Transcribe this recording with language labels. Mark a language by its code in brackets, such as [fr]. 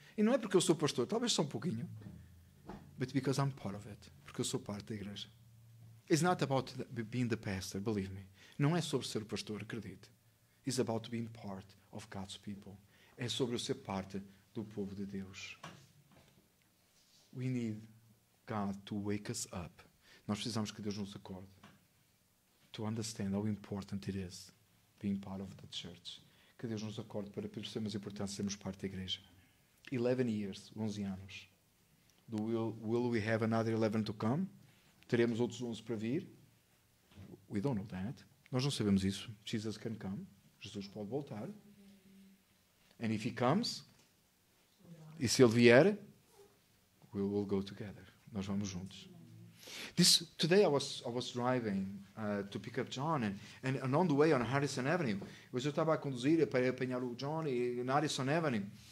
[pt] E não é porque eu sou pastor, talvez só um pouquinho. [en] But because I'm part of it. [pt] Porque eu sou parte da igreja. [en] It's not about being the pastor, believe me. [pt] Não é sobre ser o pastor, acredite. [en] It's about being part of God's people. [pt] É sobre eu ser parte do povo de Deus. [en] We need God to wake us up. [pt] Nós precisamos que Deus nos acorde. [en] To understand how important it is being part of the church. [pt] Que Deus nos acorde para percebermos a importância de sermos parte da igreja. [en] 11 years, [pt] 11 anos. [en] Will we have another 11 to come? [pt] Teremos outros 11 para vir? [en] We don't know that. [pt] Nós não sabemos isso. [en] Jesus can come. [pt] Jesus pode voltar. [en] And if he comes, [pt] e se ele vier, [en] we will go together. [pt] Nós vamos juntos. [en] Today I was driving to pick up John and on the way on Harrison Avenue. [pt] Eu estava a conduzir para apanhar o John na Harrison Avenue.